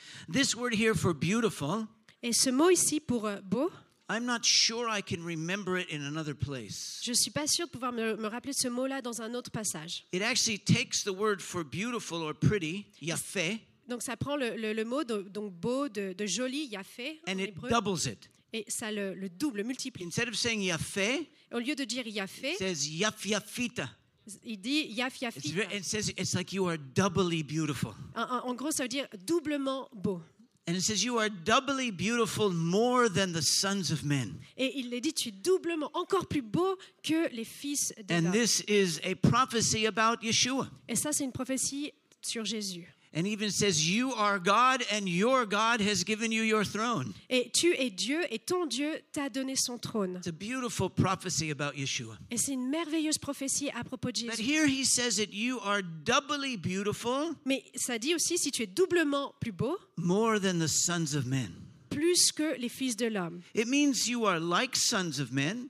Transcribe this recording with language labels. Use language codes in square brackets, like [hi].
[en] This word here for beautiful. [fr] Et ce mot ici pour beau. [en] I'm not sure I can remember it in another place. [fr] Je suis pas sûr de pouvoir me rappeler ce mot-là dans un autre passage. [en] It actually takes the word for beautiful or pretty, yafé. [fr] Donc ça prend le mot donc beau de joli, yafé en hébreu. [en] And it doubles it. [fr] Et ça le double, multiplie. [en] Instead of saying yafé, [fr] au lieu de dire yafé, [en] it says yaf yafita. [fr] Il dit yaf yafita. [en] It says it's like you are doubly beautiful. [fr] En gros, ça veut dire doublement beau. [en] And it says you are doubly beautiful more than the sons of men. [fr] Et il le dit, tu es doublement encore plus beau que les fils de l'homme. [en] And this is a prophecy about Yeshua. [fr] Et ça c'est une prophétie sur Jésus. [en] And even says you are God and your God has given you your throne. [fr] Et tu es Dieu et ton Dieu t'a donné son trône. [en] It's a beautiful prophecy about Yeshua. [fr] Et c'est une merveilleuse prophétie à propos de Jésus. [en] But here he says that you are doubly beautiful. [fr] Mais ça dit aussi si tu es doublement plus beau. [en] More than the sons of men. [fr] Plus que les fils de l'homme. [en] It means you are like sons of men.